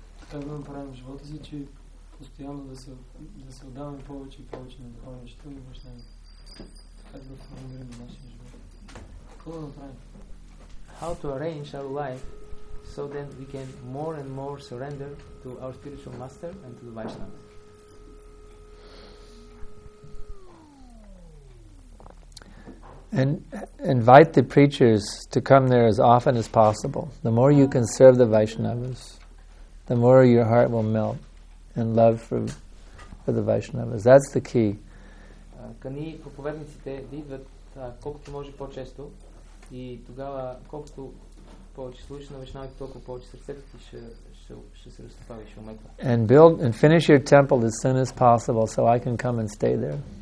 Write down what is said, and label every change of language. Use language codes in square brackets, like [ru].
[bg] Казвам правим в живота си, че постоянно да се отдаваме повече и повече на духовно нещо и въобще как да формираме нашия живот. Какво да направим? [en] How to arrange our life so then we can more and more surrender to our spiritual master and to the Vaishnavas. And invite the preachers to come there as often as possible. The more you can serve the Vaishnavas, the more your heart will melt in love for the Vaishnavas. That's the key. [bg] Кани проповедниците да идват колкото може по-често и тогава колкото повече служиш на Вайшнавите, толкова повече сърцето ти ще се разтопави, ще умекне. [en] And build and finish your temple as soon as possible so I can come and stay there.